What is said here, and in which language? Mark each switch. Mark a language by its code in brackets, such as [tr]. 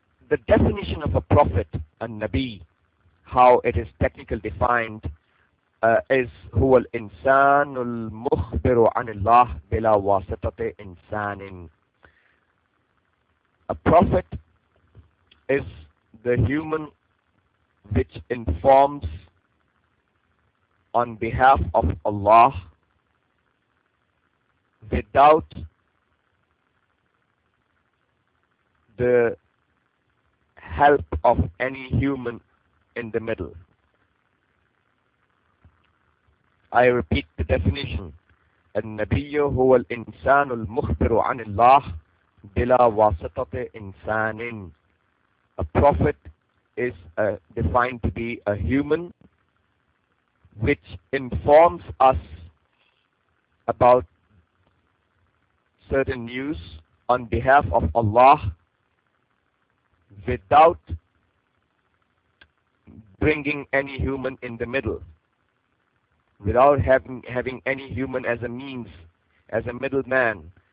[en] The definition of a prophet, a Nabi, how it is technically defined, is [ar] هو الإنسان المخبر عن الله بلا واسطة إنسان. [en] A prophet is the human which informs on behalf of Allah without the help of any human in the middle. I repeat the definition. [ar] النبي هو الإنسان المخبر عن الله بلا واسطة إنسان. [en] A prophet is defined to be a human which informs us about certain news on behalf of Allah without bringing any human in the middle, without having any human as a means, as a middleman.